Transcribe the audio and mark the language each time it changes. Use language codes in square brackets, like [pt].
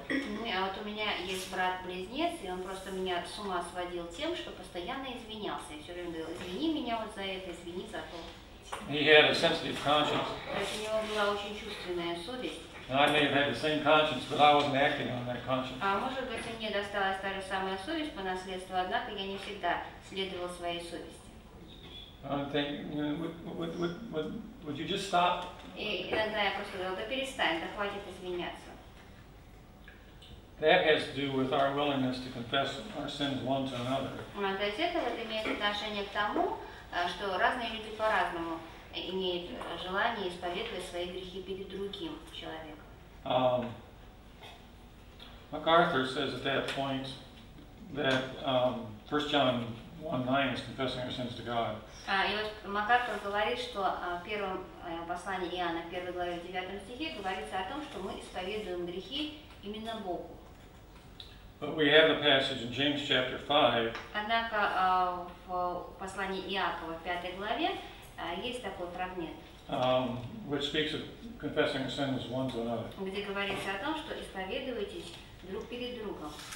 [ru] А вот у меня есть брат-близнец, и он просто меня с ума сводил тем, что постоянно извинялся. Я все время говорил: "Извини меня вот за это, извини за то." [en] He had a sensitive conscience. [ru] То есть у него была очень чувственная совесть. [en] I may have had the same conscience, but I wasn't acting on that conscience. [ru] А может быть, мне досталась та же самая совесть по наследству, однако я не всегда следовал своей совести. [en] I think, would you just stop? [ru] И иногда я просто говорю: да перестань, да хватит извиняться. [en] That has to do with our willingness to confess our sins one to another. [ru] То есть это вот имеет отношение к тому, что разные люди по-разному имеют желание исповедовать свои грехи перед другим человеком. [en] MacArthur says at that point that 1 John 1:9 is confessing our sins to God. [ru] И вот МакАртур говорит, что в первом послании Иоанна, в первой главе, в 9 стихе, говорится о том, что мы исповедуем грехи именно Богу. [en] But we have a passage in James chapter 5. [ru] Однако в послании Иакова, в 5 главе, есть такой фрагмент, [en] which speaks of confessing our sins one to another. [ru] Где говорится о том, что исповедуйтесь друг перед другом.